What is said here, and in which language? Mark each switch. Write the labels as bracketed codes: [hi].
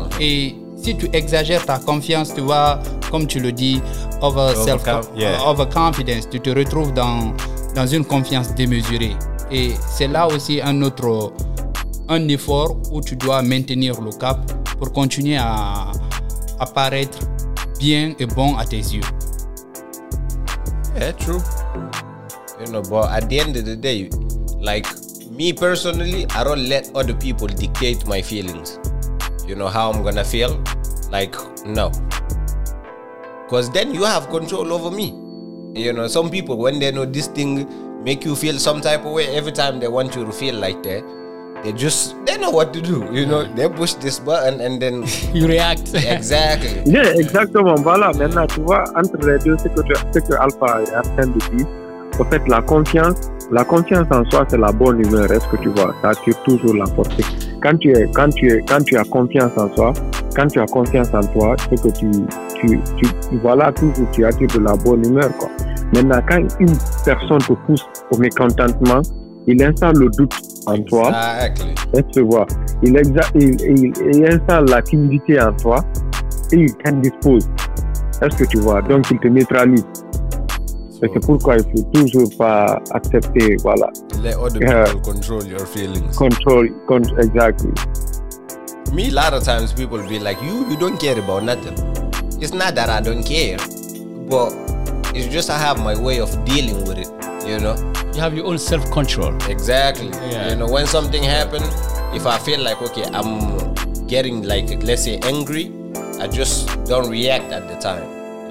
[fr] Et si tu exagères ta confiance, tu vois, comme tu le dis, [en] over confidence, [fr] tu te retrouves dans une confiance démesurée. Et c'est là aussi un effort où tu dois maintenir le cap pour continuer à paraître bien et bon à tes yeux. [en] Yeah, true. You know, but at the end of the day, like me personally, I don't let other people dictate my feelings. You know how I'm gonna feel? Like, no. Because then you have control over me. You know, some people, when they know this thing make you feel some type of way, every time they want you to feel like that, they know what to do. You know, they push this button and then you react. Exactly. [fr] Yeah, exactement. Voilà, maintenant, tu vois, entre les deux, c'est que Alpha est en train de dire, en fait, la confiance en soi, c'est la bonne humeur. Est-ce que tu vois, ça tire toujours la force. Quand tu as confiance en soi, quand tu as confiance en toi, c'est que tu attires de la bonne humeur, quoi. Maintenant, quand une personne te pousse au mécontentement, il installe le doute en toi. [en] Exactly. [fr] Tu vois, il installe la timidité en toi et il t'indispose. Est-ce que tu vois? Donc, il te neutralise. Et c'est pourquoi il ne faut toujours pas accepter, voilà. [en] Let other people control your feelings. Control, exactly. Me, a lot of times people be like, you don't care about nothing. It's not that I don't care, but it's just I have my way of dealing with it, you know? You have your own self-control. Exactly. Yeah. You know, when something happens, if I feel like, okay, I'm getting, like, let's say, angry, I just don't react at the time.